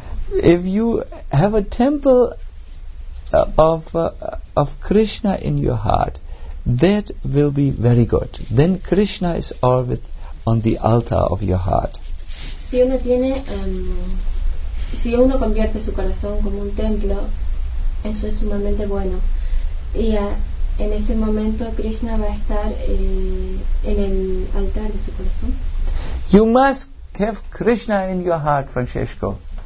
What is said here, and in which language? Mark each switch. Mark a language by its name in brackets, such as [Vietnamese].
[English] If you have a temple of Krishna in your heart, that will be very good. Then Krishna is always on the altar of your heart. [Spanish] Si uno tiene, si uno convierte su corazón como un templo, eso es sumamente bueno. Y en ese momento Krishna va a estar en el altar de su corazón. [English] You must have Krishna in your heart, Francesco.